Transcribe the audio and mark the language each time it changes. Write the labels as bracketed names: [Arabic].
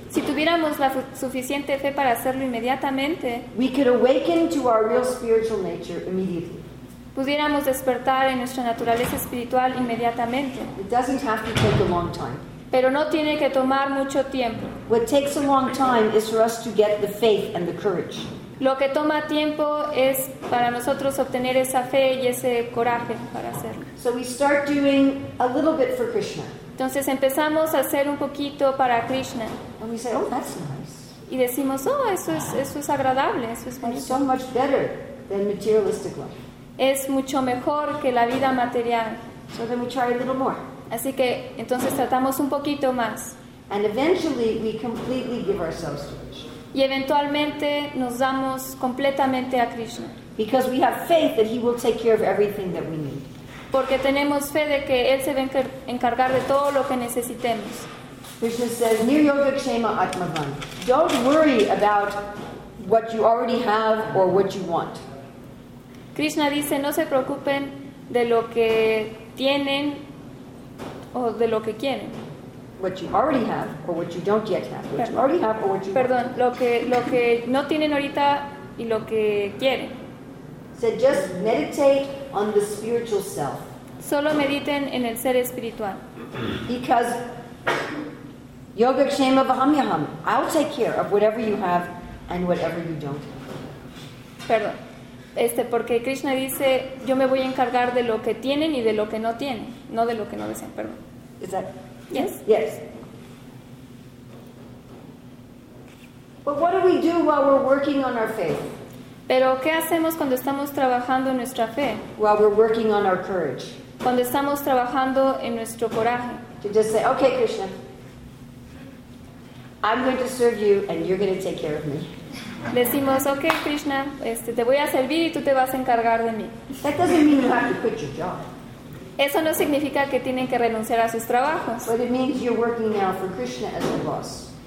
[Spanish] si tuviéramos la suficiente fe para hacerlo inmediatamente, [English] we could awaken to our real spiritual nature immediately. [Spanish] Pudiéramos despertar en nuestra naturaleza espiritual inmediatamente. [English] It doesn't have to take a long time. [Spanish] Pero no tiene que tomar mucho tiempo. [English] What takes a long time is for us to get the faith and the courage. [Spanish] Lo que toma tiempo es para nosotros obtener esa fe y ese coraje para hacerlo. [English] So we start doing a little bit for Krishna. [Spanish] Entonces empezamos a hacer un poquito para Krishna. [English] And we say, oh, that's nice. [Spanish] Y decimos, oh, eso es agradable, eso es bonito. [English] It's so much better than materialistic life. [Spanish] Es mucho mejor que la vida material. [English] So then we try a little more. [Spanish] Así que entonces tratamos un poquito más. [English] And eventually we completely give ourselves to Krishna. [Spanish] Y eventualmente nos damos completamente a Krishna. [English] Because we have faith that he will take care of everything that we need. [Spanish] Porque tenemos fe de que él se va a encargar de todo lo que necesitemos. [English] Krishna says, [Sanskrit] "Niyoga kshema atmavan." [English] Don't worry about what you already have or what you want. [Spanish] Krishna dice, "No se preocupen de lo que tienen o de lo que quieren." [English] What you already have or what you don't yet have. What you already have or what you want. [Spanish] Perdón, lo que no tienen ahorita y lo que quieren. [English] So just meditate on the spiritual self. [Spanish] Solo mediten en el ser espiritual. [English] Because [Sanskrit] yoga kshema vahamyaham, [English] I'll take care of whatever you have and whatever you don't have. [Spanish] Perdón. Porque Krishna dice, yo me voy a encargar de lo que tienen y de lo que no tienen, no de lo que no desean, perdón. [English] Is that? Yes. Yes. But what do we do while we're working on our faith? [Spanish] Pero ¿qué hacemos cuando estamos trabajando en nuestra fe? [English] While we're working on our courage. [Spanish] Cuando estamos trabajando en nuestro coraje. [English] To just say, okay, Krishna, I'm going to serve you and you're going to take care of me. [Spanish] Decimos, okay, Krishna, te voy a servir y tú te vas a encargar de mí. [English] That doesn't mean you have to quit your job. [Spanish] Eso no significa que tienen que renunciar a sus trabajos. [English] But it means you're working now for Krishna as your boss.